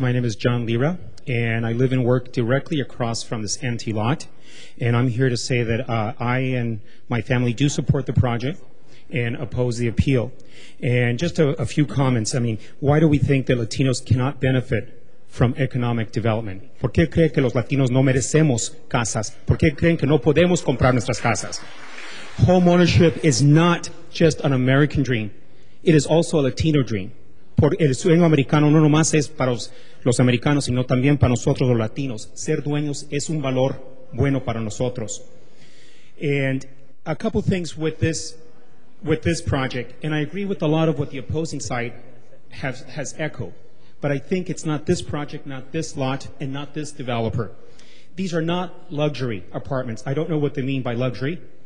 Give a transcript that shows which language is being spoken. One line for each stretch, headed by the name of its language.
English: My name is John Lira, and I live and work directly across from this empty lot. And I'm here to say that I and my family do support the project and oppose the appeal. And just a few comments. I mean, why do we think that Latinos cannot benefit from economic development?
Spanish: ¿Por qué creen que los Latinos no merecemos casas? ¿Por qué creen que no podemos comprar nuestras casas?
English: Home ownership is not just an American dream. It is also a Latino dream.
Spanish: Porque el sueño americano no nomás es para los americanos, sino también para nosotros los latinos. Ser dueños es un valor bueno para nosotros.
English: And a couple things with this project, and I agree with a lot of what the opposing side has echoed, but I think it's not this project, not this lot, and not this developer. These are not luxury apartments. I don't know what they mean by luxury.